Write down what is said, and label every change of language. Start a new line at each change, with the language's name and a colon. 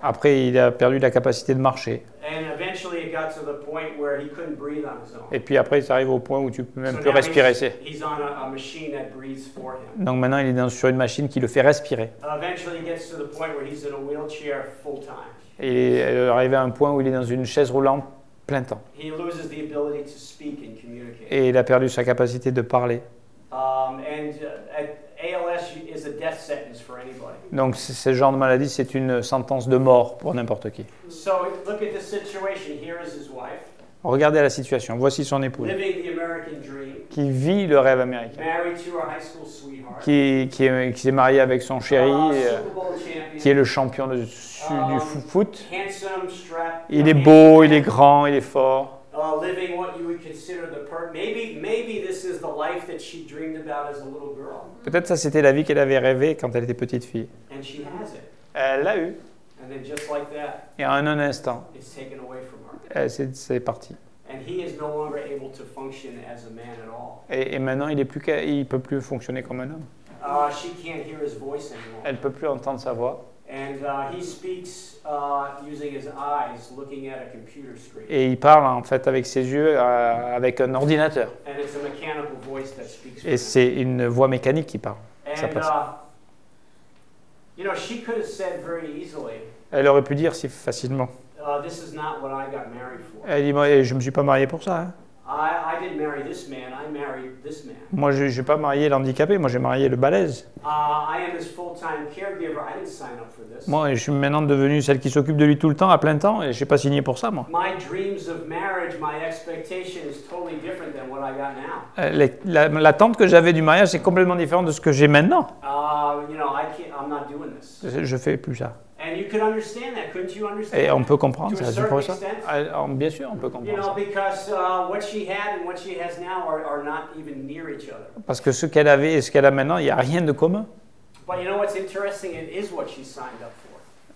French: Après, il a perdu la capacité de marcher.
English: And eventually it got to the point where he couldn't breathe on his own.
French: Et puis après, ça arrive au point où tu peux même plus respirer.
English: He's on a machine that breathes for him.
French: Donc maintenant, il est sur une machine qui le fait respirer.
English: And eventually he gets to the point where he's in a wheelchair full time.
French: Et il est arrivé à un point où il est dans une chaise roulante plein temps.
English: He loses the ability to speak and communicate.
French: Et il a perdu sa capacité de parler.
English: ALS is a death sentence for anybody.
French: Donc ce genre de maladie, c'est une sentence de mort pour n'importe qui.
English: So, look at the situation. Here is his wife.
French: Regardez la situation. Voici son épouse.
English: Living the American dream.
French: Qui vit le rêve américain.
English: Married to a high school sweetheart.
French: Qui s'est marié avec son chéri, qui est le champion du foot.
English: Handsome, strapped,
French: il est beau, il est grand, il est fort.
English: Living what you would consider the perfect. Maybe this is the life that she dreamed about as a little girl.
French: Peut-être ça c'était la vie qu'elle avait rêvé quand elle était petite fille.
English: And she has it.
French: Elle l'a eu.
English: And then just like that.
French: Et en un instant.
English: It's taken away from her.
French: C'est parti.
English: And he is no longer able to function as a man at all.
French: Et maintenant il peut plus fonctionner comme un homme.
English: She can't hear his voice anymore.
French: Elle peut plus entendre sa voix.
English: And he speaks using his eyes, looking at a computer screen.
French: Et il parle en fait avec ses yeux, avec un ordinateur.
English: And it's a mechanical voice that speaks.
French: Et c'est une voix mécanique qui parle.
English: You know, she could have said very easily.
French: Elle aurait pu dire si facilement.
English: This is not what I got married for.
French: Elle dit, moi, je me suis pas marié pour ça. Hein.
English: I didn't marry this man, I married this man.
French: Moi, je n'ai pas marié l'handicapé, moi j'ai marié le balèze.
English: I am his full-time caregiver, I didn't sign up for this.
French: Moi, je suis maintenant devenue celle qui s'occupe de lui tout le temps, à plein temps, et je n'ai pas signé pour ça, moi.
English: My dreams of marriage, my expectation is totally different than what I got now.
French: L'attente que j'avais du mariage, c'est complètement différent de ce que j'ai maintenant.
English: I'm not doing this.
French: Je ne fais plus ça.
English: And you could understand that, couldn't you understand?
French: Et on peut comprendre
English: to
French: ça,
English: a certain extent.
French: Bien sûr, on peut comprendre.
English: You know, because what she had and what she has now are not even near each other.
French: Parce que ce qu'elle avait et ce qu'elle a maintenant, il y a rien de commun.
English: But you know what's interesting? It is what she signed up for.